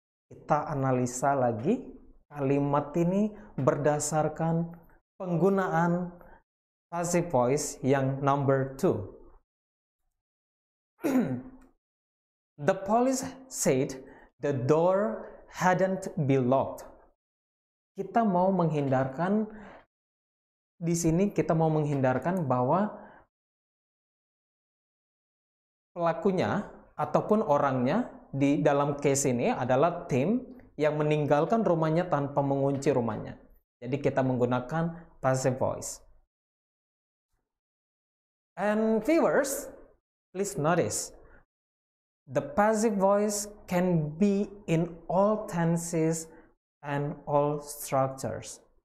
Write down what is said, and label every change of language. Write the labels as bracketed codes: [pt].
[id] Kita analisa lagi kalimat ini berdasarkan penggunaan passive voice yang number 2. [en] The police said the door hadn't been locked. [id] Kita mau menghindarkan, di sini kita mau menghindarkan bahwa pelakunya ataupun orangnya di dalam case ini adalah Tim yang meninggalkan rumahnya tanpa mengunci rumahnya. Jadi kita menggunakan passive voice. [en] And viewers, please notice, the passive voice can be in all tenses and all structures.